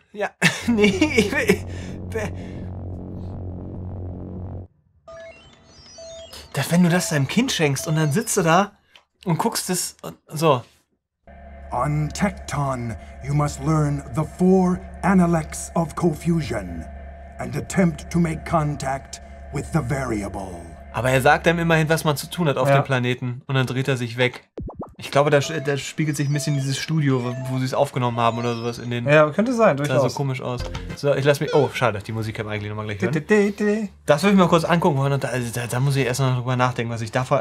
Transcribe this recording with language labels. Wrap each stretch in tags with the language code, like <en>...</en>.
<de>Ja, nee, Das, wenn du das deinem Kind schenkst und dann sitzt du da und guckst es und so.</de> <en>On Tecton, you must learn the four Analects of Confusion and attempt to make contact with the variable.</en> <de>Aber er sagt einem immerhin, was man zu tun hat auf dem Planeten und dann dreht er sich weg. Ich glaube, da spiegelt sich ein bisschen dieses Studio, wo sie es aufgenommen haben oder sowas in den... Ja, könnte sein, durchaus. Sah so komisch aus. So, ich lass mich... Oh, schade, die Musik kann man eigentlich nochmal gleich hören. Das will ich mir kurz angucken wollen und da muss ich erst noch drüber nachdenken, was ich davor...</de>